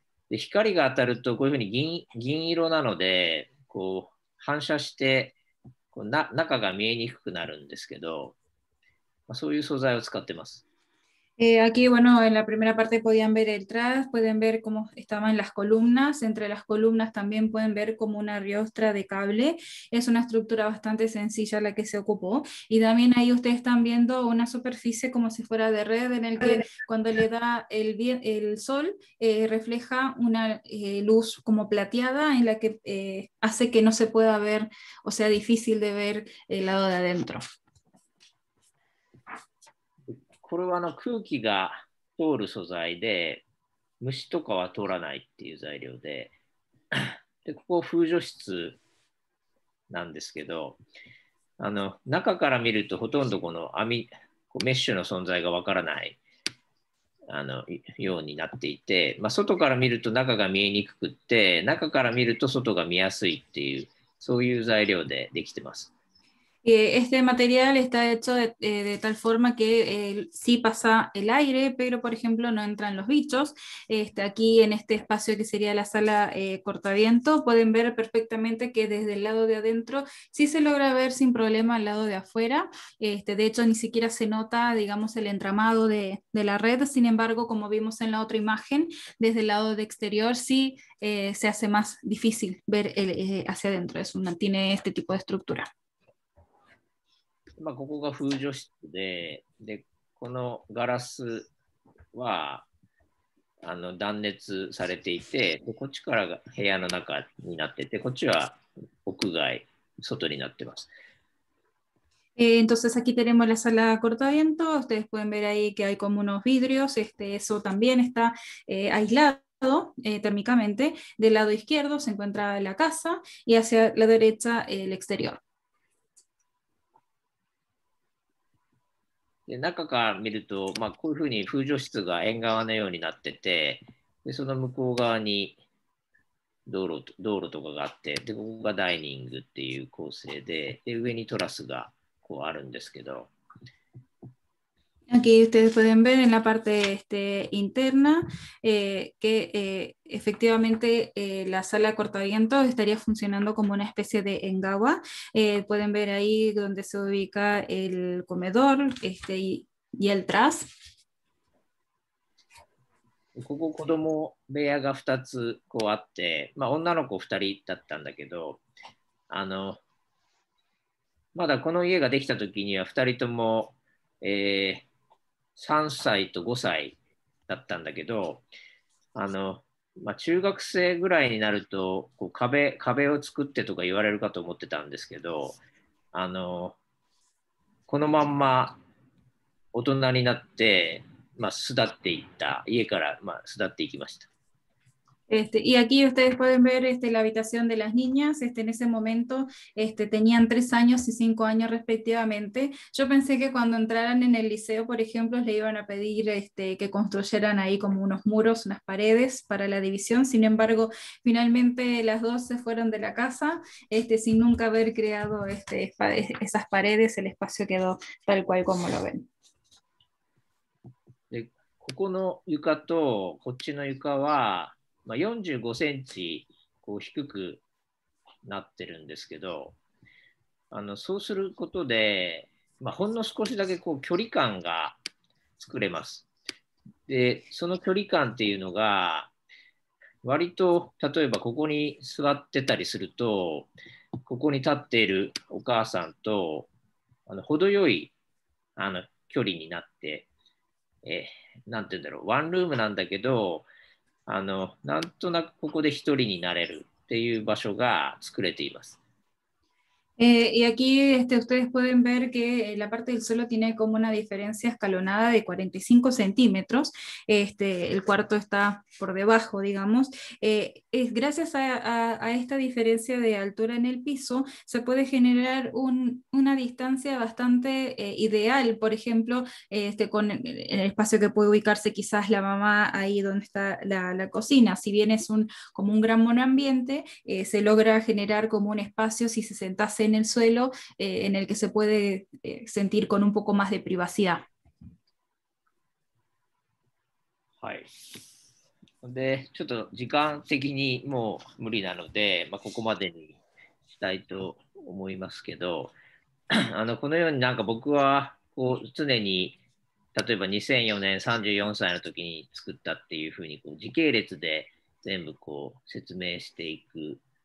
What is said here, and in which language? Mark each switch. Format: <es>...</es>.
<ja>で、光が当たるとこういうふうに銀色なので、こう反射して、中が見えにくくなるんですけど、そういう素材を使ってます。</ja> <es>Aquí, bueno, en la primera parte podían ver el tras, pueden ver cómo estaban las columnas. Entre las columnas también pueden ver como una riostra de cable. Es una estructura bastante sencilla la que se ocupó. Y también ahí ustedes están viendo una superficie como si fuera de red en el que cuando le da el sol refleja una luz como plateada en la que hace que no se pueda ver o sea difícil de ver el lado de adentro.</es> <ja>これは空気が通る素材で、虫とかは通らないっていう材料で、でここ風除室なんですけど、中から見るとほとんどこの網、メッシュの存在がわからないようになっていて、まあ、外から見ると中が見えにくくって、中から見ると外が見やすいっていう、そういう材料でできてます。</ja> <es>Este material está hecho de tal forma que sí pasa el aire, pero por ejemplo no entran los bichos. Aquí en este espacio que sería la sala cortaviento, pueden ver perfectamente que desde el lado de adentro sí se logra ver sin problema el lado de afuera. De hecho ni siquiera se nota, digamos, el entramado de la red. Sin embargo, como vimos en la otra imagen, desde el lado de exterior sí se hace más difícil ver hacia adentro. Tiene este tipo de estructura.</es> <ja>まあ、ここが風除室で、で、このガラスは断熱されていて、こっちからが部屋の中になってて、こっちは屋外、外になってます。</ja> <es>Entonces aquí tenemos la sala de cortaviento. Ustedes pueden ver ahí que hay como unos vidrios. Eso también está aisladoTérmicamente. Del lado izquierdo se encuentra la casa y hacia la derecha el exterior.</es> <ja>で中から見ると、まあ、こういうふうに風除室が縁側のようになってて、でその向こう側に道路とかがあって、でここがダイニングっていう構成で、で上にトラスがこうあるんですけど。</ja> <es>Aquí ustedes pueden ver en la parte interna efectivamente la sala de cortaviento estaría funcionando como una especie de engawa. Pueden ver ahí donde se ubica el comedor y el tras.</es> <ja>ここ子供部屋が2つこうあって、まあ、女の子2人だったんだけど、まだこの家ができた時には2人とも、3 歳と5歳だったんだけど、まあ、中学生ぐらいになるとこう壁を作ってとか言われるかと思ってたんですけど、このまんま大人になって、まあ、巣立っていった、家から、まあ、巣立っていきました。</ja> <es>Y aquí ustedes pueden ver la habitación de las niñas. En ese momento tenían 3 años y 5 años respectivamente. Yo pensé que cuando entraran en el liceo, por ejemplo, le iban a pedir que construyeran ahí como unos muros, unas paredes para la división. Sin embargo, finalmente las dos se fueron de la casa sin nunca haber creado esas paredes. El espacio quedó tal cual como lo ven.</es> <ja>ここの床とこっちの床は、まあ、45センチこう低くなってるんですけど、そうすることで、まあ、ほんの少しだけこう距離感が作れます。で、その距離感っていうのが割と例えばここに座ってたりするとここに立っているお母さんと程よい距離になってなんて言うんだろう、ワンルームなんだけど、なんとなくここで一人になれるっていう場所が作れています。</ja> <es>Y aquí ustedes pueden ver que la parte del suelo tiene como una diferencia escalonada de 45 centímetros. El cuarto está por debajo, digamos. Gracias a esta diferencia de altura en el piso, se puede generar una distancia bastante ideal. Por ejemplo, con el espacio que puede ubicarse quizás la mamá ahí donde está la cocina. Si bien es como un gran monoambiente, se logra generar como un espacio si se sentase en el suelo en el que se puede sentir con un poco más de privacidad.</es> <ja>はい。で、ちょっと時間的にもう無理なので、まあ、ここまでにしたいと思いますけど、このようになんか僕はこう常に例えば2004年34歳の時に作ったっていうふうにこう時系列で全部こう説明していく。</ja>